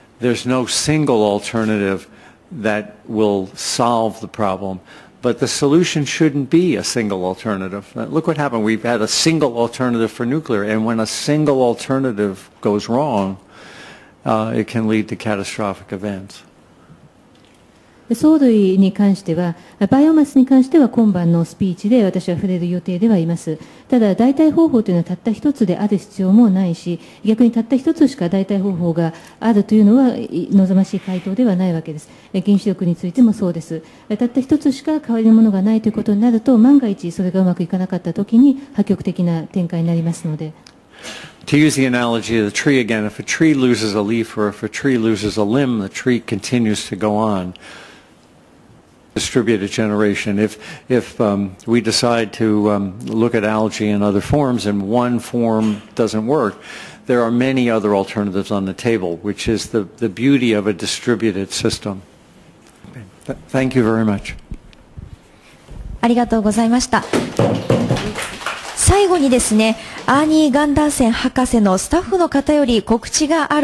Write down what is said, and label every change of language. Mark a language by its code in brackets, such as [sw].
[en] There's no single alternative that will solve the problem. But the solution shouldn't be a single alternative. Look what happened. We've had a single alternative for nuclear, and when a single alternative goes wrong, it can lead to catastrophic events. [ja] 藻類に関しては、バイオマスに関しては今晩のスピーチで私は触れる予定ではいます。ただ、代替方法というのはたった一つである必要もないし、逆にたった一つしか代替方法があるというのは望ましい回答ではないわけです。原子力についてもそうです。たった一つしか代わりのものがないということになると、万が一それがうまくいかなかったときに破局的な展開になりますので。 [en] To use the analogy of the tree again, if a tree loses a leaf or if a tree loses a limb, the tree continues to go on. Distributed generation. If we decide to look at algae in other forms and one form doesn't work, there are many other alternatives on the table, which is the beauty of a distributed system. Thank you very much. [ja] ありがとうございました。最後にですね、アーニー・ガンダーセン博士のスタッフの方より告知がある。